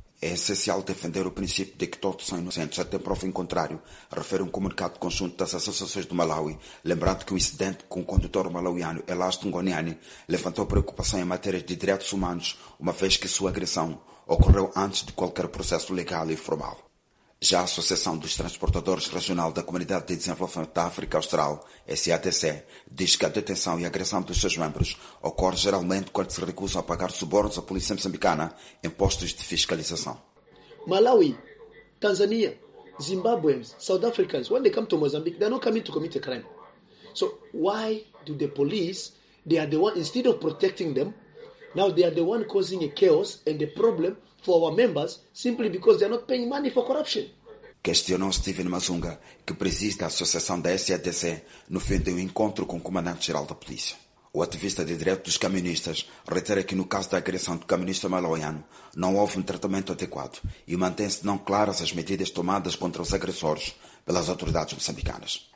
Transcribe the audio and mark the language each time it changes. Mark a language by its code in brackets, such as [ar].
[pt] É essencial defender o princípio de que todos são inocentes até prova em contrário, refere um comunicado conjunto das associações do Malawi, lembrando que o incidente com o condutor malawiano Elasto Ngoniani levantou preocupação em matéria de direitos humanos, uma vez que sua agressão ocorreu antes de qualquer processo legal e formal. Já a Associação dos Transportadores Regional da Comunidade de Desenvolvimento da África Austral, SADC, diz que a detenção e agressão dos seus membros ocorre geralmente quando se recusam a pagar subornos à polícia moçambicana em postos de fiscalização. [en] Malawi, Tanzania, Zimbabwe, South Africans, when they come to Mozambique, they're not coming to commit a crime. So why do the police, they are the one, instead of protecting them, now they are the one causing a chaos and a problem for our members simply because they are not paying money for corruption? [pt] Questionou Steven Mazunga, que preside a Associação da SADC, no fim de um encontro com o Comandante-Geral da Polícia. O ativista de direitos dos caministas reitera que no caso da agressão do caminista malawiano não houve um tratamento adequado e mantém-se não claras as medidas tomadas contra os agressores pelas autoridades moçambicanas.